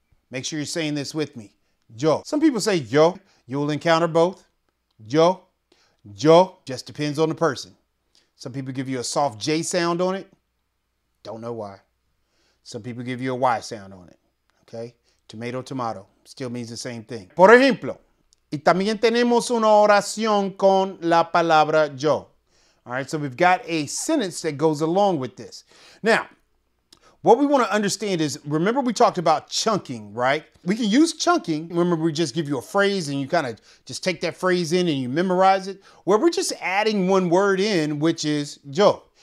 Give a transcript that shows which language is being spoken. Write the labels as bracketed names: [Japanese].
[English] Make sure you're saying this with me. Yo. Some people say yo. You'll encounter both. Yo. Yo. Just depends on the person. Some people give you a soft J sound on it. Don't know why. Some people give you a Y sound on it. Okay? Tomato, tomato. Still means the same thing. [Spanish] Por ejemplo, y también tenemos una oración con la palabra yo. [English] All right, so we've got a sentence that goes along with this. Now, what we want to understand is, remember we talked about chunking, right? We can use chunking. Remember, we just give you a phrase and you kind of just take that phrase in and you memorize it. Where we're just adding one word in, which is yo.